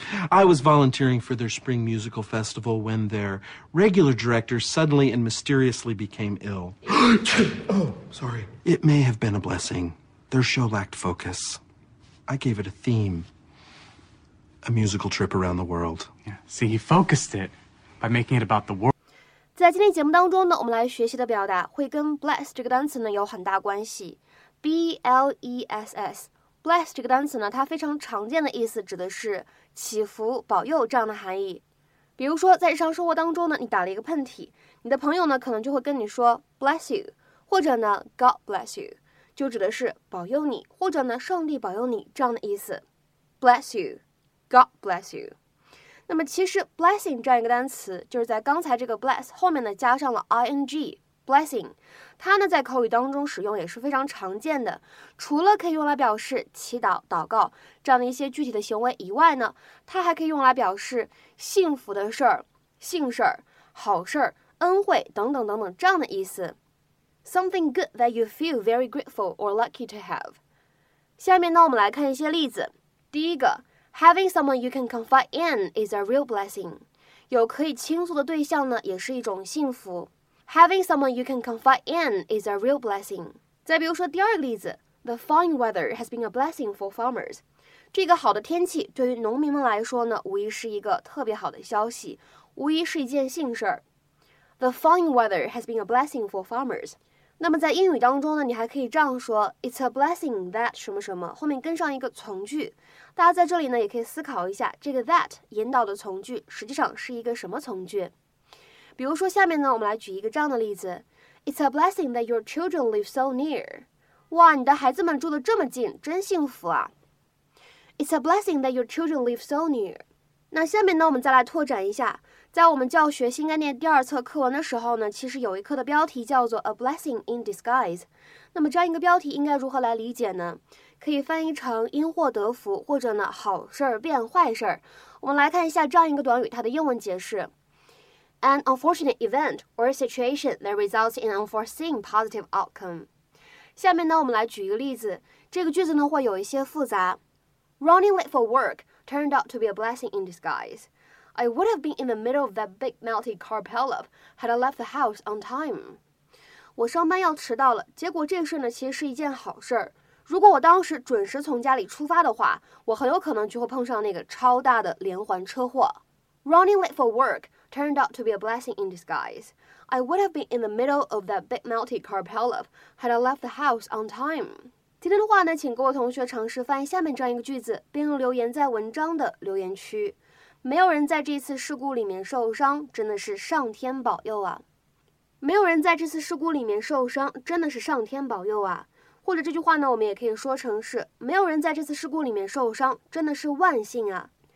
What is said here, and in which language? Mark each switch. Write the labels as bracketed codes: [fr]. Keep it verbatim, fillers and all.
[en] I was volunteering for their spring musical festival when their regular director suddenly and mysteriously became ill. Oh, sorry. It may have been a blessing. Their show lacked focus. I gave it a theme. A musical trip around the world. Yeah, see, he focused it by making it about the world. [zh] 在今天节目当中呢，我们来学习的表达会跟 bless 这个单词呢有很大关系。 B L E S S bless 这个单词呢，它非常常见的意思指的是祈福、保佑这样的含义。比如说，在日常生活当中呢，你打了一个喷嚏，你的朋友呢可能就会跟你说 [en] bless you， [zh] 或者呢 [en] God bless you， [zh] 就指的是保佑你，或者呢上帝保佑你这样的意思。 [en] Bless you. God bless you。 [zh] 那么其实 blessing 这样一个单词，就是在刚才这个 bless 后面呢加上了 ing blessing， 它呢在口语当中使用也是非常常见的，除了可以用来表示祈祷、祷告这样的一些具体的行为以外呢，它还可以用来表示幸福的事儿、幸事儿、好事儿、恩惠等等等等这样的意思。 [en] Something good that you feel very grateful or lucky to have。 [zh] 下面呢我们来看一些例子。第一个， [en] Having someone you can confide in is a real blessing. [zh] 有可以倾诉的对象呢，也是一种幸福。 [en] Having someone you can confide in is a real blessing. [zh] 再比如说第二个例子 [en] ，The fine weather has been a blessing for farmers. [zh] 这个好的天气对于农民们来说呢，无疑是一个特别好的消息，无疑是一件幸事儿。 [en] The fine weather has been a blessing for farmers. [zh] 那么在英语当中呢，你还可以这样说 [en] It's a blessing that [zh] 什么什么，后面跟上一个从句。大家在这里呢也可以思考一下，这个 that 引导的从句实际上是一个什么从句。比如说下面呢我们来举一个这样的例子 [en] It's a blessing that your children live so near. [zh] 哇，你的孩子们住得这么近，真幸福啊。 [en] It's a blessing that your children live so near. [zh] 那下面呢我们再来拓展一下，在我们教学新概念第二册课文的时候呢，其实有一课的标题叫做 [en] A Blessing in Disguise。 [zh] 那么这样一个标题应该如何来理解呢？可以翻译成因祸得福，或者呢好事儿变坏事儿。我们来看一下这样一个短语它的英文解释 [en] An unfortunate event or situation that results in an unforeseen positive outcome. [zh] 下面呢我们来举一个例子，这个句子呢会有一些复杂。 [en] Running late for work turned out to be a blessing in disguise. I would have been in the middle of that big melty car pileup had I left the house on time. [zh] 我上班要迟到了，结果这事呢其实是一件好事儿。如果我当时准时从家里出发的话，我很有可能就会碰上那个超大的连环车祸。 [en] Running late for work turned out to be a blessing in disguise. I would have been in the middle of that big melty car pileup had I left the house on time. [zh] 今天的话呢，请各位同学尝试翻译下面这样一个句子，并留言在文章的留言区。没有人在这次事故里面受伤，真的是上天保佑啊！没有人在这次事故里面受伤，真的是上天保佑啊！或者这句话呢，我们也可以说成是没有人在这次事故里面受伤，真的是万幸啊！